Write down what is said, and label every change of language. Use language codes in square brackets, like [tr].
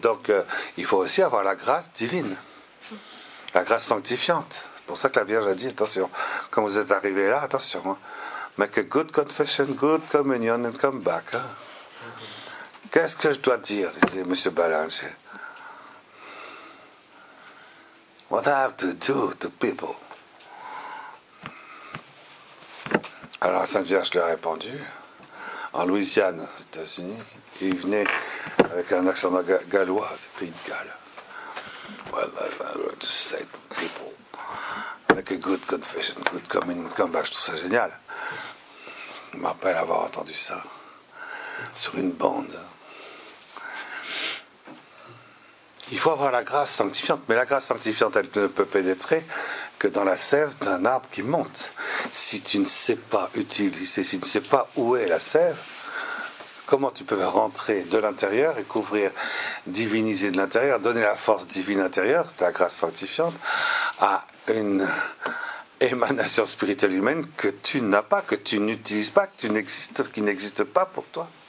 [fr] Donc, il faut aussi avoir la grâce divine. La grâce sanctifiante. C'est pour ça que la Vierge a dit, attention, quand vous êtes arrivé là, attention, hein. [en] Make a good confession, good communion and come back. [fr] Hein. Qu'est-ce que je dois dire, disait M. Ballinger. [en] What I have to do to people? [fr] Alors, la Sainte Vierge lui a répondu, en Louisiane, aux États-Unis, il venait avec un accent gallois, du pays de Galles. [en] Well, I have to say to people, make a good confession, good coming, come back. [fr] Je trouve ça génial. Je m'appelle avoir entendu ça sur une bande. Il faut avoir la grâce sanctifiante, mais la grâce sanctifiante, elle ne peut pénétrer que dans la sève d'un arbre qui monte. Si tu ne sais pas utiliser, si tu ne sais pas où est la sève, comment tu peux rentrer de l'intérieur et couvrir, diviniser de l'intérieur, donner la force divine intérieure, ta grâce sanctifiante, à une émanation spirituelle humaine que tu n'as pas, que tu n'utilises pas, que tu n'existes, qui n'existe pas pour toi.